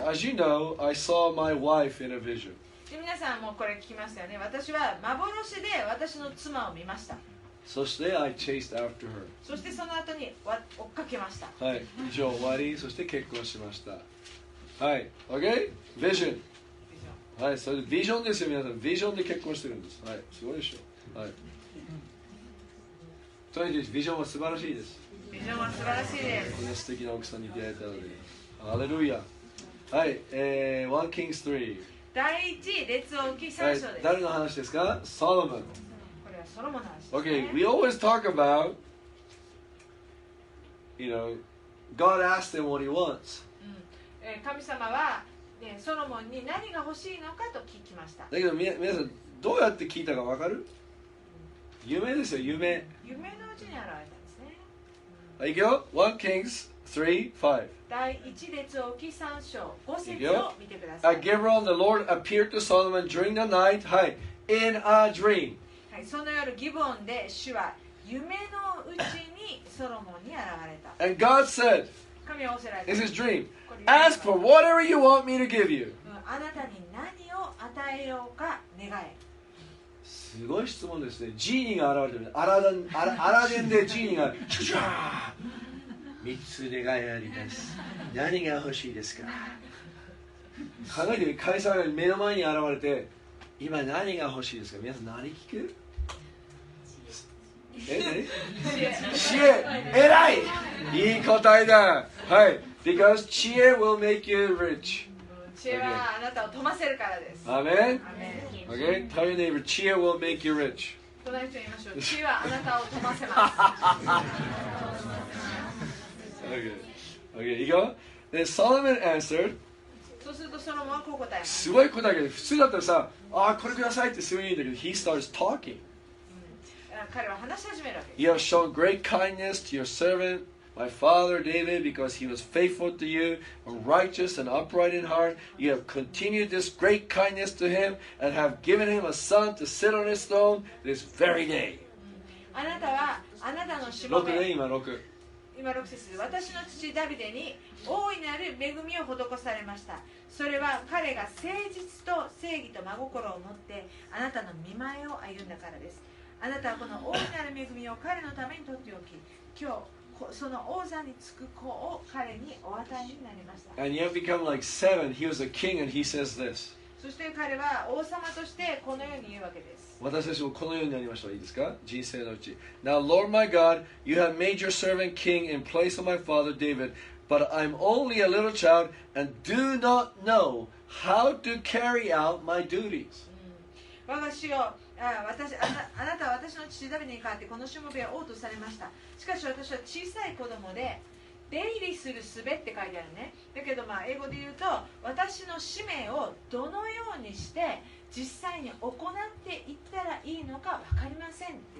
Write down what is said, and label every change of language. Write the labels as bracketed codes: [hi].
[en] So as you know, I saw my wife in a vision. [ja] 皆さんもこれ聞きましたよね。私は幻で私の妻を見ました。そして [en] I chased after her. [ja] そしてその後に追っかけました。はい。以上終わり。そして結婚しました。はい。Okay? Vision. はい。それビジョンですよ、皆さん。ビジョンで結婚してるんです。はい。すごいでしょ。はい。とにかくビジョンは素晴らしいです。ビジョンは素晴らしいです。この素敵な奥さんに出会えたので、ハレルヤ。 [en] はい、1 Kings 3。 [ja] 第一列王記3章です、はい。誰の話ですか？ソロモン。これはソロモンの話です、ね。 [en] Okay, we always talk about, you know, God asked him what he wants.、 [ja] 神様は、ね、ソロモンに何が欲しいのかと聞きました。だけど皆さんどうやって聞いたかわかる？夢ですよ、夢。夢のうちに現れたんですね。はい、行くよ。 [en] 1 Kings 3:5。 [ja] 第1列王記3章、5節を見てください。 [en] Gabriel the Lord appeared to Solomon during the night, はい、in a dream. [ja] はい、その夜、ギボンで主は夢のうちにソロモンに現れた。 [en] And God said, [ja] 神は仰せられた。 [en] This is dream. Ask for whatever you want me to give you. [ja] あなたに何を与えようか願え。すごい質問ですね。ジーニーが現れてる。アラデンでジーニーがチュチュー3つ願いあります。何が欲しいですか？考えてみて、カエサーが目の前に現れて、今何が欲しいですか？皆さん何聞く？知恵。えらい、いい答えだ。 [en] はい、 Because 知恵 will make you rich。 [ja] 知恵はあなたを富ませるからです。アメン。 [en] Okay, tell your neighbor, 知恵 will make you rich. [ja] 隣人に言いましょう。知恵はあなたを富ませます。 [en] Okay, [ja] いいか。で、 [en] Solomon answered. [ja] そうするとソロモンはこう答えます。 すごい答えだけど、普通だったらさ、ああこれくださいってすぐ言うんだけど、 [en] he starts talking. [ja] 彼は話し始めるわけです。 [en] You have shown great kindness to your servant. My father David, because he was faithful to you, righteous and upright in heart, you have continued this great kindness to him and have given him a son to sit on his throne this very day. [ja] あなたはあなたのしもべ、6ね、今6。今6節。私の父ダビデに大いなる恵みを施されました。それは彼が誠実と正義と真心を持ってあなたの御前を歩んだからです。あなたはこの大いなる恵みを彼のためにとっておき、今日その王座につく子を彼にお与えになりました。 [en] And he had become like seven. He was a king, and he says this. [ja] そして彼は王様としてこのように言うわけです。私たちもこのようになりました。いいですか？人生のうち。 [en] Now, Lord my God, you have made your servant king in place of my father David, but I'm only a little child and do not know how to carry out my duties.、う [ja] ん、我が主よ、あなたは私の父ダビデに代わってこのしもべを王とされました。しかし私は小さい子供で、出入りするすべって書いてあるね。だけど、まあ英語で言うと、私の使命をどのようにして、実際に行っていったらいいのか分かりませんって